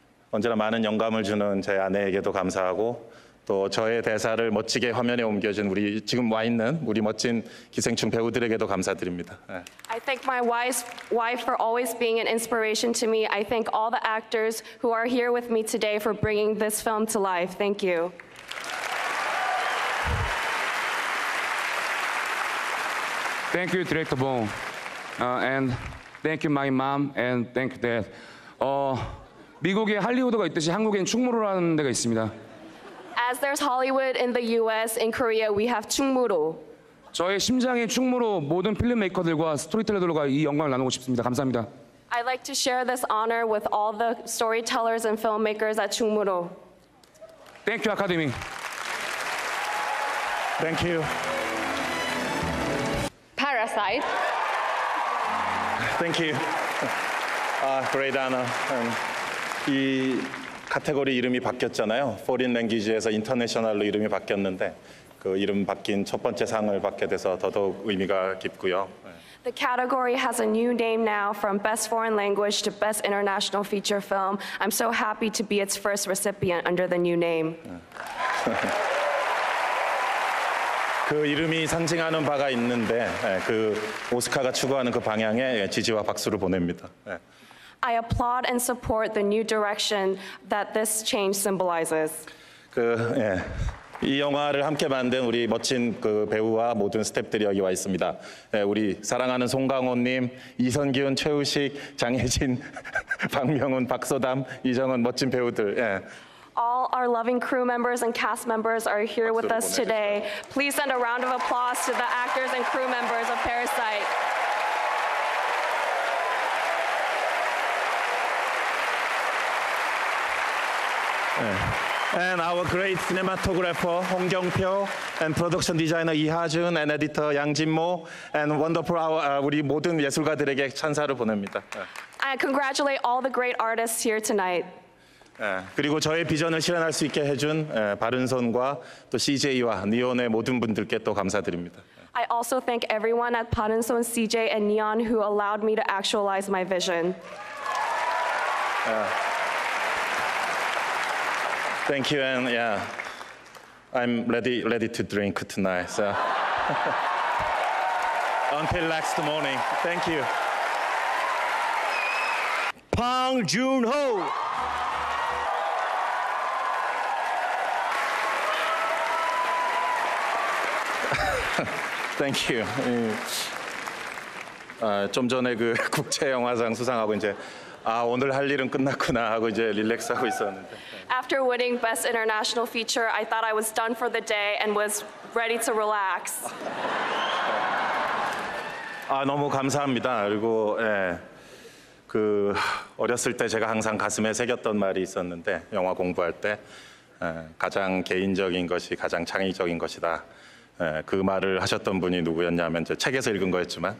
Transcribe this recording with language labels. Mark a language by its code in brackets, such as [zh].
[ko] 언제나 많은 영감을 주는 제 아내에게도 감사하고 또 저의 대사를 멋지게 화면에 옮겨준 우리 지금 와 있는 우리 멋진 기생충 배우들에게도 감사드립니다. [en] I thank my wife for always being an inspiration to me. I thank all the actors who are here with me today for bringing this film to life. Thank you. 땡큐 디렉터 봉. And thank you my mom and thank you dad. [ko] 미국에 할리우드가 있듯이 한국엔 충무로라는 데가 있습니다. [en] As there's Hollywood in the US, in Korea we have 충무로. [ko] 저의 심장의 충무로 모든 필름 메이커들과 스토리텔러들과 이 영광을 나누고 싶습니다. 감사합니다. [en] I'd like to share this honor with all the storytellers and filmmakers at 충무로. Thank you, Academy. Thank you. Parasite. Thank you. Great honor. [ko] 이 카테고리 이름이 바뀌었잖아요. Foreign Language에서 International로 이름이 바뀌었는데 그 이름 바뀐 첫 번째 상을 받게 돼서 더더욱 의미가 깊고요. [en] The category has a new name now from Best Foreign Language to Best International Feature Film. I'm so happy to be its first recipient under the new name. [ko] 그 이름이 상징하는 바가 있는데 그 오스카가 추구하는 그 방향에 지지와 박수를 보냅니다. [en] I applaud and support the new direction that this change symbolizes. [ko] 그, 예. 이 영화를 함께 만든 우리 멋진 그 배우와 모든 스태프들이 여기 와 있습니다. 예, 우리 사랑하는 송강호님, 이선균, 최우식, 장혜진, 박명훈, 박소담, 이정은 멋진 배우들. 예. [en] All our loving crew members and cast members are here with us today. Please send a round of applause to the actors and crew members of Parasite. And our great cinematographer, Hong Kyung-pyo, and production designer, Lee Ha-jun, and editor, Yang Jin-mo, and wonderful our, [ko] 우리 모든 예술가들에게 찬사를 보냅니다. [en] I congratulate all the great artists here tonight. [ko] 그리고 저의 비전을 실현할 수 있게 해준 바른손과 또 CJ와 니온의 모든 분들께 또 감사드립니다. [en] I also thank everyone at 바른손, CJ, and Neon who allowed me to actualize my vision. Thank you, and yeah, I'm ready to drink tonight. So until next morning, thank you. Bong Joon-ho. Thank you. [ko] 좀 전에 그 국제 영화상 수상하고 이제 아 오늘 할 일은 끝났구나 하고 이제 릴렉스하고 있었는데. [en] After winning Best International Feature, I thought I was done for the day and was ready to relax. [ko] 아 너무 감사합니다. 그리고 예, 그 어렸을 때 제가 항상 가슴에 새겼던 말이 있었는데 영화 공부할 때 예, 가장 개인적인 것이 가장 창의적인 것이다. 예, 그 말을 하셨던 분이 누구였냐면 저 책에서 읽은 거였지만.